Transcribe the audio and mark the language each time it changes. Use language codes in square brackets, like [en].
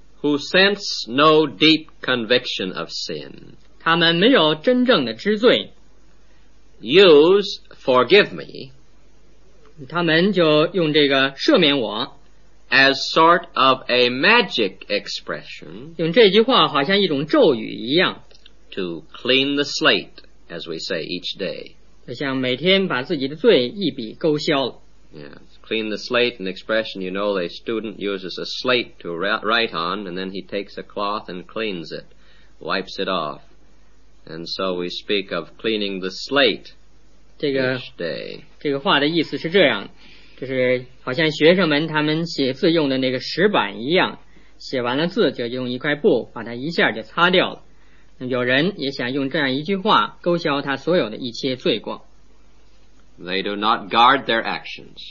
[en] who sense no deep conviction of sin， [zh] 他们没有真正的知罪， [en] use forgive me， [zh] 他们就用这个赦免我 [en] as sort of a magic expression， [zh] 用这句话好像一种咒语一样， [en] to clean the slate, as we say each day， [zh] 像每天把自己的罪一笔勾销了。 [en] Yeah, clean the slate, an expression you know, a student uses a slate to write on, and then he takes a cloth and cleans it, wipes it off. And so we speak of cleaning the slate each day. [zh] 这个话的意思是这样，就是好像学生们他们写字用的那个石板一样，写完了字就用一块布把它一下就擦掉了。有人也想用这样一句话勾销他所有的一切罪过。 [en] They do not guard their actions，